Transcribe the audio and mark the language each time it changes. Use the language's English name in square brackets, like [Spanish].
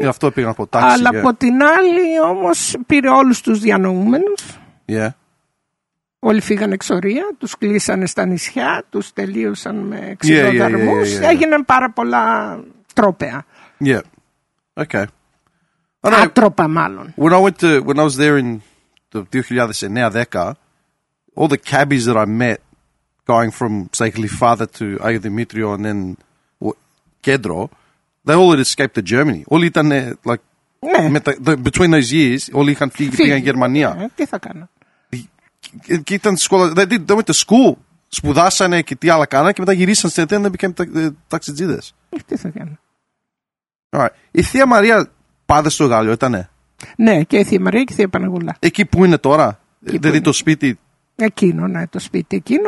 [English] Yeah, [Greek] αυτό πήγαν από τάξη. Αλλά [English] yeah. [Greek] Από την άλλη όμως πήρε όλους τους διανοούμενους. [English] Yeah. [Greek] Όλοι φύγανε εξορία, τους κλείσανε στα νησιά, τους τελείωσαν με ξυλοδαρμούς. [English] Yeah, yeah, yeah, yeah, yeah. [Greek] Έγιναν πάρα πολλά τρόπαια. [English] Yeah. Okay. [Greek] Άτροπα μάλλον. [English] When I was there in the 2009-10, all the cabbies that I met going from, say, father to Aga Dimitrio and then Kedro, they all had escaped to Germany. All he'd done there, like, between those years, all he'd flee to Germania. They went to school. [Greek] Σπουδάσανε και τι άλλα κάνανε και μετά γυρίσαν στην Αθήνα και [English] became [Greek] ταξιτζίδες. Τι θα κάνω. Η Θεία Μαρία πάντα στο Γάλλιο ήτανε. Ναι, και η Θεία Μαρία και η Θεία Παναγούλα. Εκεί που είναι τώρα, δηλαδή το σπίτι. Εκείνο, ναι, το σπίτι εκείνο.